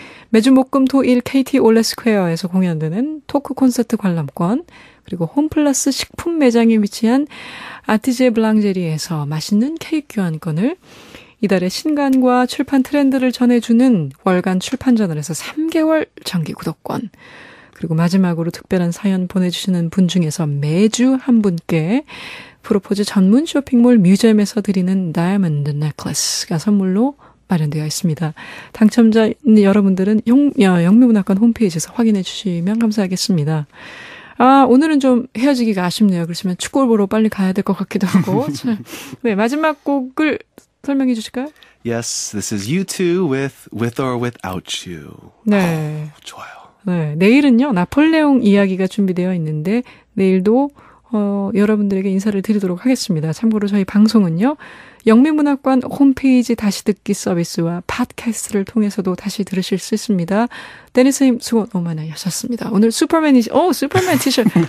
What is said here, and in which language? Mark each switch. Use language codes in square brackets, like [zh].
[ko] 매주 목금 토일 KT 올레스퀘어에서 공연되는 토크 콘서트 관람권 그리고 홈플러스 식품 매장에 위치한 아티제 블랑제리에서 맛있는 케이크 교환권을 이달의 신간과 출판 트렌드를 전해주는 월간 출판저널에서 3개월 정기 구독권 그리고 마지막으로 특별한 사연 보내주시는 분 중에서 매주 한 분께 프로포즈 전문 쇼핑몰 뮤지엄에서 드리는 다이아몬드 넥클래스가 선물로 마련되어 있습니다. 당첨자 여러분들은 영미문학관 홈페이지에서 확인해 주시면 감사하겠습니다. 아, 오늘은 좀 헤어지기가 아쉽네요. 그렇지만 축구를 보러 빨리 가야 될 것 같기도 하고. 네, 마지막 곡을 설명해 주실까요? [en] Yes, this is U2 with or without you. [ko] 네. 오, 좋아요. 네, 내일은요, 나폴레옹 이야기가 준비되어 있는데, 내일도 여러분들에게 인사를 드리도록 하겠습니다. 참고로 저희 방송은요, 영미문학관 홈페이지 다시 듣기 서비스와 팟캐스트를 통해서도 다시 들으실 수 있습니다. 데니스님 수고 너무 많으셨습니다. 오늘 슈퍼맨이시, 오, 슈퍼맨 티셔츠.